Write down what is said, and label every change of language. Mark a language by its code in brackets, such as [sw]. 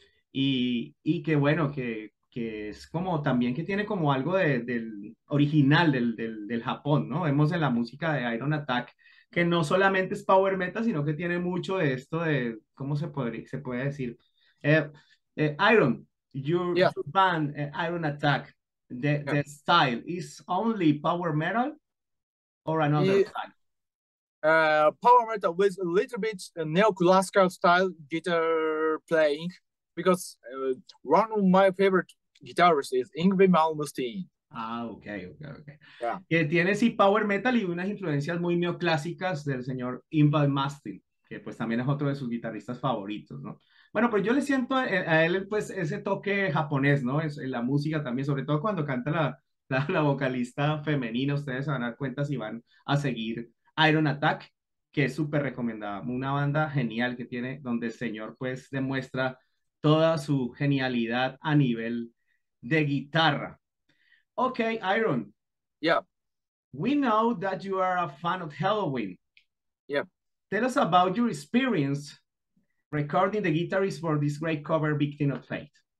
[es] Y que bueno, que es como también que tiene como algo del original del Japón, ¿no? Vemos en la música de Iron Attack que no solamente es power metal, sino que tiene mucho de esto de, ¿cómo se puede decir? [en] Iron, your band, Iron Attack, the style, is only power metal or another style? Power metal with a little bit neoclassical style guitar playing, because one of my favorite guitarists is Yngwie Malmsteen. Ah, ok. Yeah. [es] Que tiene sí power metal y unas influencias muy neoclásicas del señor Yngwie Malmsteen, que pues también es otro de sus guitarristas favoritos, ¿no? Bueno, pues yo le siento a él pues ese toque japonés, ¿no? En la música también, sobre todo cuando canta la vocalista femenina, ustedes se van a dar cuenta si van a seguir Iron Attack, que es súper recomendada, una banda genial que tiene, donde el señor pues demuestra toda su genialidad a nivel de guitarra. [en] Okay, Iron. Yeah. We know that you are a fan of Helloween. Yeah. Tell us about your experience recording the guitarist for this great cover, Victim of Fate.